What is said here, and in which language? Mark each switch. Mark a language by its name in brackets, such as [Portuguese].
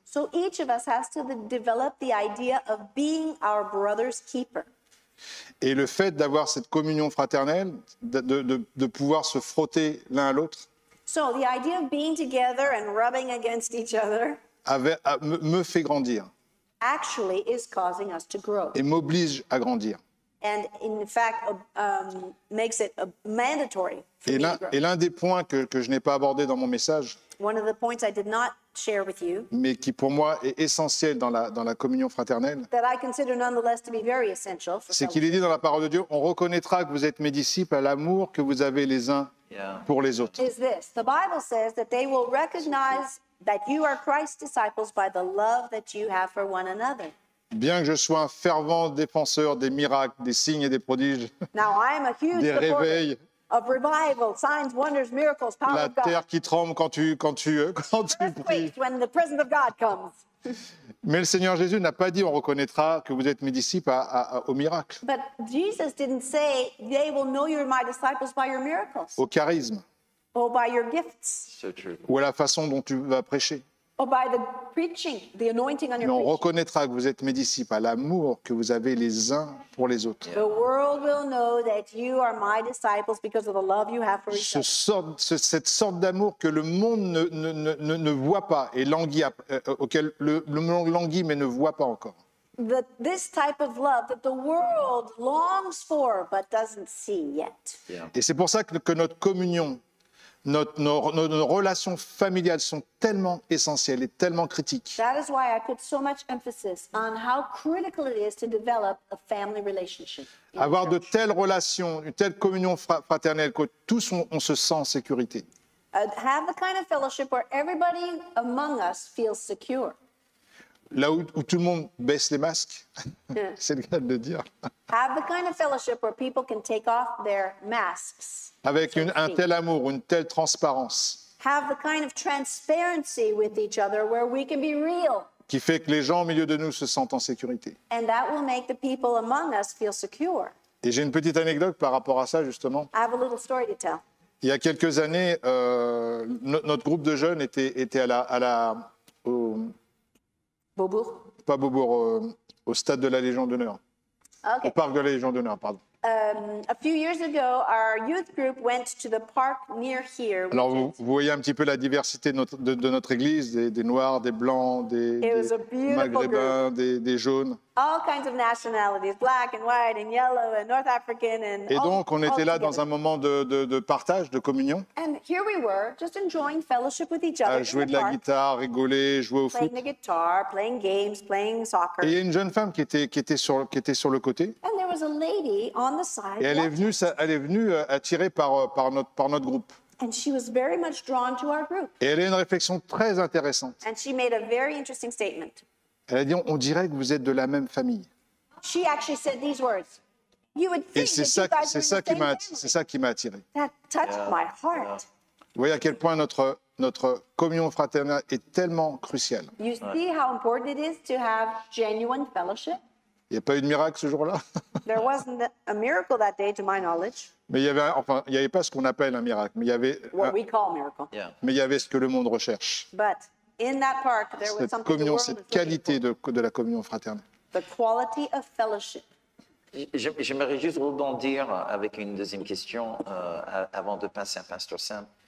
[English] So each of us has to develop the idea of being our brother's keeper. [French] Et le fait d'avoir cette communion fraternelle, de pouvoir se frotter l'un à l'autre. [English] So the idea of being together and rubbing against each other. [French] Me fait grandir. [English] Actually is causing us to grow. [French] Et m'oblige à grandir. [English] and in fact makes it a mandatory. [French] Et l'un des points que je n'ai pas abordé dans mon message, [English] one of the points I did not share with you, [French] mais qui pour moi est essentiel dans la communion fraternelle, [English] that I consider nonetheless to be very essential, [French] c'est qu'il est dit dans la parole de Dieu, on reconnaîtra que vous êtes mes disciples à l'amour que vous avez les uns pour les autres. [English] Is this. The Bible says that they will recognize that you are Christ's disciples by the love that you have for one another. [French] Bien que je sois un fervent défenseur des miracles, des signes et des prodiges, [English] now, I am a huge [French] des réveils, [English] of revival, signs, wonders, miracles, power of God. [French] La terre qui tremble quand tu pries. [English] When the presence of God comes. [French] Mais le Seigneur Jésus n'a pas dit on reconnaîtra que vous êtes mes disciples au miracle. [English] But Jesus didn't say they will know you're my disciples by your miracles. [French] Au charisme. [English] Or by your gifts. So true. [French] Ou à la façon dont tu vas prêcher. [English] Or by the preaching, the anointing on your preaching. [French] On reconnaîtra que vous êtes mes disciples à l'amour que vous avez les uns pour les autres. [English] The world will know that you are my disciples because of the love you have for each other. [French] Cette sorte d'amour que le monde ne voit pas et auquel le monde languit mais ne voit pas encore. [English] That this type of love that the world longs for but doesn't see yet. Yeah. [French] Et c'est pour ça que notre communion, nos relations familiales sont tellement essentielles et tellement critiques. [English] That is why I put so much emphasis on how critical it is to develop a family relationship. [French] Avoir de telles relations, une telle communion fraternelle que tous on se sent en sécurité. [English] Have the kind of fellowship where everybody among us feels secure. [French] Là où tout le monde baisse les masques, c'est le cas de le dire. [English] Have the kind of fellowship where people can take off their masks. [French] Avec un tel amour, une telle transparence. [English] Have the kind of transparency with each other where we can be real. [French] Qui fait que les gens au milieu de nous se sentent en sécurité. [English] And that will make the people among us feel secure. [French] Et j'ai une petite anecdote par rapport à ça justement. [English] I have a little story to tell. [French] Il y a quelques années, notre groupe de jeunes était au stade de la Légion d'honneur. [English] Okay. [French] Au parc de la Légion d'honneur, pardon. [English] A few years ago, our youth group went to the park near here. [French] Alors, vous voyez un petit peu la diversité de notre église, des noirs, des blancs, des maghrébins, des jaunes. [English] All kinds of nationalities, black and white and yellow and North African and. [French] Et donc, on était là dans un moment de partage, de communion. [English] And here we were, just enjoying fellowship with each other. [French] À jouer de la guitare, rigoler, jouer au foot. [English] Playing the guitar, playing games, playing soccer. [French] Et il y a une jeune femme qui était sur le côté. [English] And there was a lady on the side. [French] Et elle est venue attirée par notre groupe. [English] And she was very much drawn to our group. [French] Et elle a une réflexion très intéressante. [English] And she made a very interesting statement. [French] Elle a dit, on dirait que vous êtes de la même famille. [English] She actually said these words. You would think [French] et c'est ça, [English] you guys [French] c'est, ça qui m'a attiré, c'est ça qui m'a attiré. [English] That touched my heart. [French] Vous voyez à quel point notre communion fraternelle est tellement cruciale. [English] You see how important it is to have genuine fellowship? [French] Il n'y a pas eu de miracle ce jour-là. [English] There wasn't a miracle that day, to my knowledge. [French] Mais il n'y avait pas ce qu'on appelle un miracle. Mais il y avait, [English] what we call a miracle. Yeah. [French] Mais il y avait ce que le monde recherche. [English] But in that park, there was [French] cette [English] something [French] communion, [English] the world [French] cette qualité de la communion fraternelle. [English] The quality of fellowship. [French] J'aimerais juste rebondir avec une deuxième question avant de passer à Pasteur Sam.